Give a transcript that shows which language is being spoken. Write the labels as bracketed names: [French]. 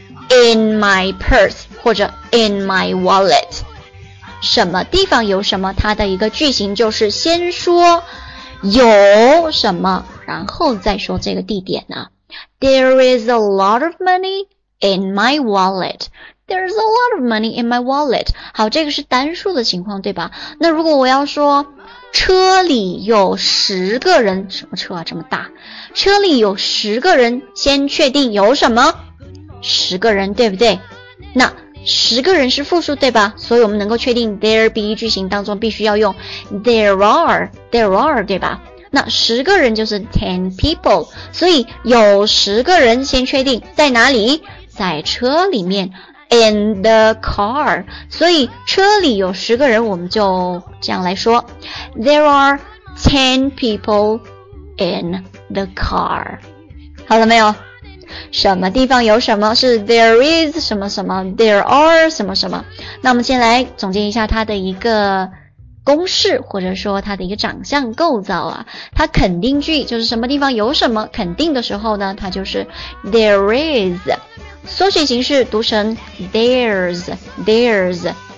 [English] in my purse [Chinese] 或者 [English] in my wallet， [Chinese] 什么地方有什么，它的一个句型就是先说有什么，然后再说这个地点呢。 [English] There is a lot of money in my wallet. There's a lot of money in my wallet. [Chinese] 好，这个是单数的情况，对吧？那如果我要说车里有十个人，什么车啊这么大？车里有十个人，先确定有什么？十个人，对不对？那十个人是复数，对吧？所以我们能够确定 there be 句型当中必须要用 there are， 对吧？那十个人就是 ten people， 所以有十个人先确定在哪里？在车里面， [English] in the car， [Chinese] 所以车里有十个人，我们就这样来说， [English] there are ten people in the car。 [Chinese] 好了没有？什么地方有什么，是 there is 什么什么， there are 什么什么。那我们先来总结一下它的一个公式，或者说它的一个长相构造啊。它肯定句就是什么地方有什么，肯定的时候呢，它就是 there is， 缩写形式读成 there's。